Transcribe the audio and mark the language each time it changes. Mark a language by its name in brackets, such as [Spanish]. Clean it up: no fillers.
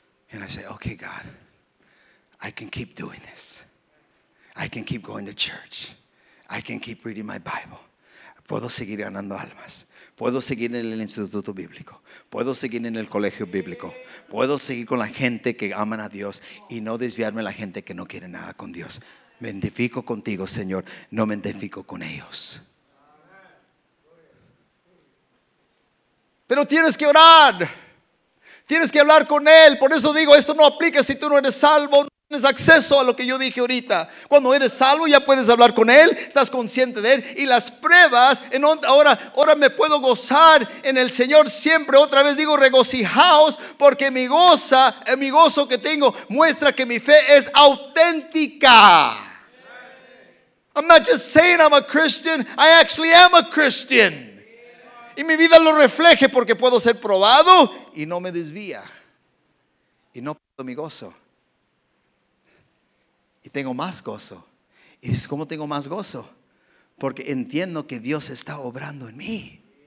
[English] And I say, okay, God, I can keep doing this. I can keep going to church. I can keep reading my Bible. [Spanish] Puedo seguir ganando almas. Puedo seguir en el instituto bíblico. Puedo seguir en el colegio bíblico. Puedo seguir con la gente que aman a Dios y no desviarme de la gente que no quiere nada con Dios. Me identifico contigo, Señor. No me identifico con ellos. Pero tienes que orar. Tienes que hablar con Él. Por eso digo, esto no aplica si tú no eres salvo. No tienes acceso a lo que yo dije ahorita. Cuando eres salvo ya puedes hablar con Él. Estás consciente de Él. Y las pruebas, ahora me puedo gozar en el Señor siempre. Otra vez digo, regocijaos, porque mi gozo que tengo muestra que mi fe es auténtica. [English] I'm not just saying I'm a Christian. I actually am a Christian. [Spanish] Y mi vida lo refleje porque puedo ser probado y no me desvía. Y no pierdo mi gozo. Y tengo más gozo. ¿Y dices, cómo tengo más gozo? Porque entiendo que Dios está obrando en mí.